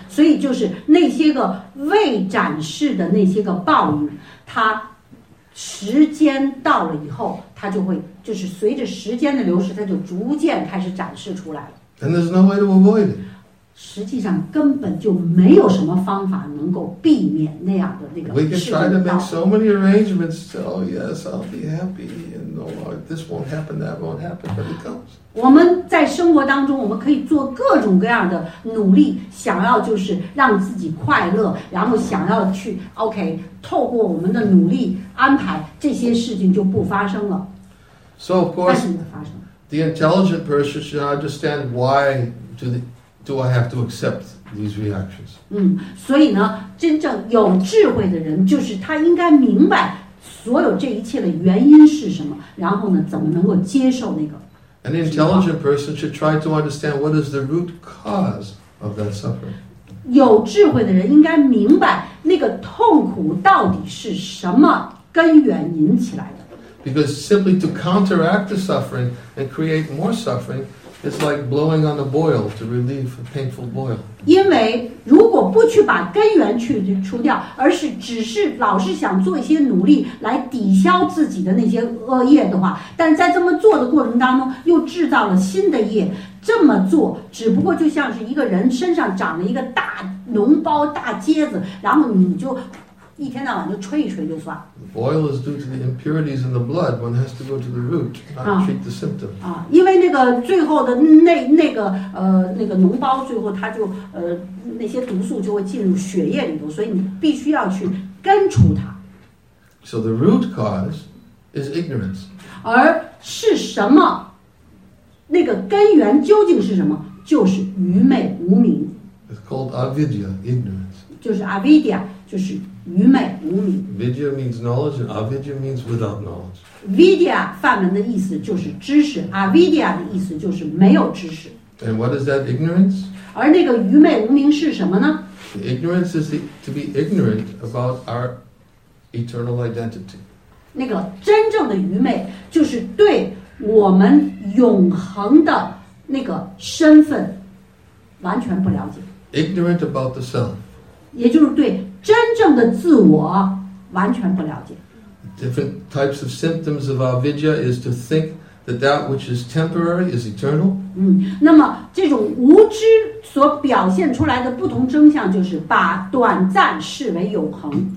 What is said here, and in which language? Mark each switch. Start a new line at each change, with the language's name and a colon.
Chinese: 所以就是那些个未展示的那些个报应，它时间到了以后，它就会就是随着时间的流逝，它就逐渐开始展示出来。
English: And there's no way to avoid it.
Chinese: 实际上根本就没有什么方法能够避免那样的那个。
English: We can try to make so many arrangements. Oh yes, I'll be happy, and no, this won't happen, that won't happen, but it comes.
Chinese: 我们在生活当中，我们可以做各种各样的努力，想要就是让自己快乐，然后想要去 OK， 透过我们的努力安排，这些事情就不发生了。
English: So of course, the intelligent person should understand why do I have to accept these reactions.
Chinese: 所以呢，真正有智慧的人，就是他应该明白所有这一切的原因是什么，然后呢，怎么能够接受那个。
English: An intelligent person should try to understand what is the root cause of that suffering.
Chinese: 有智慧的人应该明白那个痛苦到底是什么根源引起来的。
English: Because simply to counteract the suffering and create more suffering It's like blowing on a boil to relieve a painful boil.
Chinese: 因为如果不去把根源去除掉，而是只是老是想做一些努力来抵消自己的那些恶业的话，但在这么做的过程当中，又制造了新的业。这么做只不过就像是一个人身上长了一个大脓包、大疖子，然后你就一天到晚就吹一吹就算。
English: Boil is due to the impurities in the blood. One has to go to the root, not treat the symptom.
Chinese: 因为那个最后的那个脓包，最后它就那些毒素就会进入血液里头，所以你必须要去根除它。
English: So the root cause is ignorance.
Chinese: 而是什么？那个根源究竟是什么？就是愚昧无明。
English: It's called avidya, ignorance.
Chinese: 就是 avidya, 就是愚昧无明。
English: Vidya means knowledge, and avidya means without knowledge.
Chinese: Vidya 梵文的意思就是知识 ，avidya 的意思就是没有知识。
English: And what is that ignorance?
Chinese: 而那个愚昧无明是什么呢
English: ？The ignorance is to be ignorant about our eternal identity.
Chinese: 那个真正的愚昧就是对我们永恒的那个身份完全不了解。
English: Ignorant about the self.
Chinese: 也就是对真正的自我完全不了解。
English: Different types of symptoms of avidya is to think that that which is temporary is eternal.
Chinese: 那么这种无知所表现出来的不同征象就是把短暂视为永恒。